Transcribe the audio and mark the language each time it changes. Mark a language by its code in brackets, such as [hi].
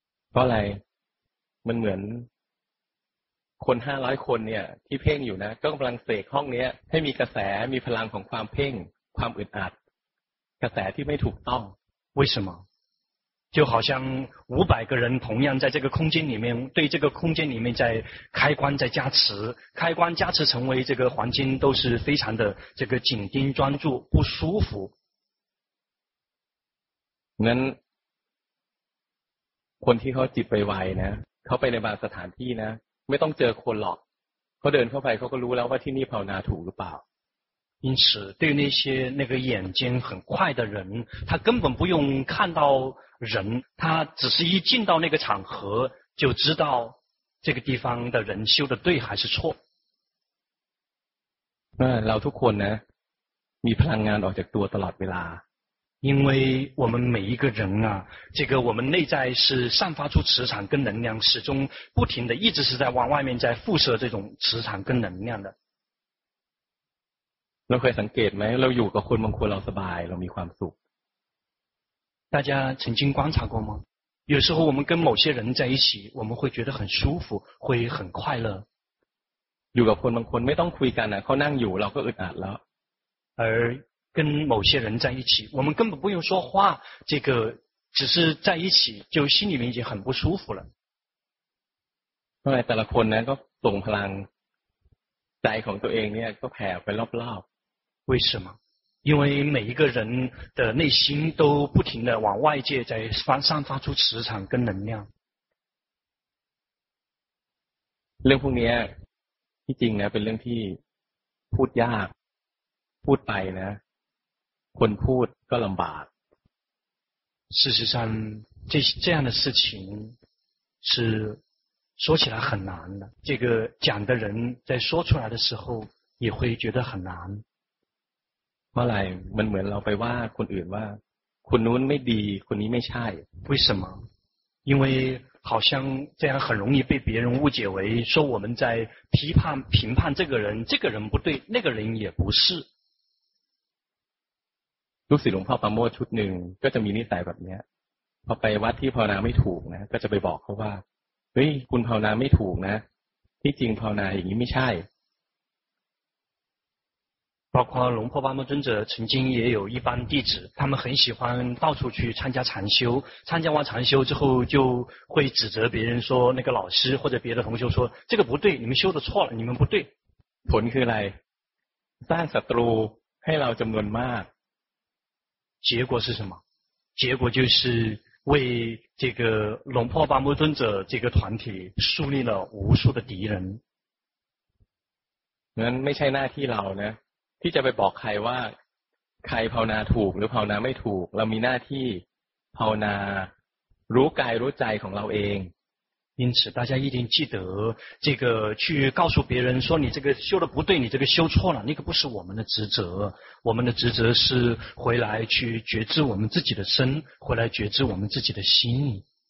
[th] เพราะอะไรมันเหมือนคน500คนเนี่ยที่เพ่งอยู่นะก็กำลังเสกห้องนี้ให้มีกระแสมีพลังของความเพ่งความอึดอัดกระแสที่ไม่ถูกต้อง [zh] 为什么就好像500个人同样在这个空间里面对这个空间里面在开关在加持开关加持成为这个环境都是非常的这个紧盯专注不舒服 [th] นั้นคนที่เขาจิตไวไวนะเขาไปในบางสถานที่นะไม่ต้องเจอคนหรอกเขาเดินเข้าไปเขาก็รู้แล้วว่าที่นี่ภาวนาถูกหรือเปล่า [zh] 因此对那些那个眼睛很快的人他根本不用看到人他只是一进到那个场合就知道这个地方的人修的对还是错 [th] เราทุกคนนะมีพลังงานออกจากตัวตลอดเวลา [zh] 因为我们每一个人啊这个我们内在是散发出磁场跟能量始终不停的一直是在往外面在辐射这种磁场跟能量的 [th] เราเคยสังเกตไหมเราอยู่กับคนบางคนเราสบายเรามีความสุข [zh] 大家曾经观察过吗有时候我们跟某些人在一起我们会觉得很舒服会很快乐 [th] อยู่กับคนบางคนไม่ต้องคุยกันนะเขานั่งอยู่เราก็อึดอัดแล้ว [zh] 而跟某些人在一起我们根本不用说话这个只是在一起就心里面已经很不舒服了后来 [th] แต่ละคนนะก็ส่งพลังใจของตัวเองเนี่ยก็แผ่ไปรอบ [zh] ๆ为什么因为每一个人的内心都不停的往外界在散发出磁场跟能量 [th] เรื่องพวกนี้ที่จริงนะเป็นเรื่องที่พูดยากพูดไปนะคนพูดก็ลำบาก [zh] 事实上这样的事情是说起来很难的这个讲的人在说出来的时候也会觉得很难 [th] เมื่อไหร่มันเหมือนเราไปว่าคนอื่นว่าคนนู้นไม่ดีคนนี้ไม่ใช่ [zh] 为什么因为好像这样很容易被别人误解为说我们在批判评判这个人不对那个人也不是 [th] ลูกศิษย์หลวงพ่อประโมทชุดหนึ่งก็จะมีนิสัยแบบนี้พอไปวัดที่ภาวนาไม่ถูกนะก็จะไปบอกเขาว่าเฮ้ยคุณภาวนาไม่ถูกนะ ที่จริงภาวนาอย่างนี้ไม่ใช่ [zh] 包括龙婆巴木尊者曾经也有一般弟子他们很喜欢到处去参加禅修参加完禅修之后就会指责别人说那个老师或者别的同修说这个不对你们修的错了你们不对 [th] ผลคืออะไรสร้างศัตรูให้เราจำนวนมาก [zh] 结果是什么结果就是为这个龙破八木尊者这个团体树立了无数的敌人 [th] นั้นไม่ใช่หน้าที่เรานะที่จะไปบอกใครว่าใครภาวนาถูกหรือภาวนาไม่ถูกเรามีหน้าที่ภาวนารู้กายรู้ใจของเราเอง [zh] 因此大家一定记得这个去告诉别人说你这个修的不对你这个修错了那个不是我们的职责我们的职责是回来去觉知我们自己的身回来觉知我们自己的心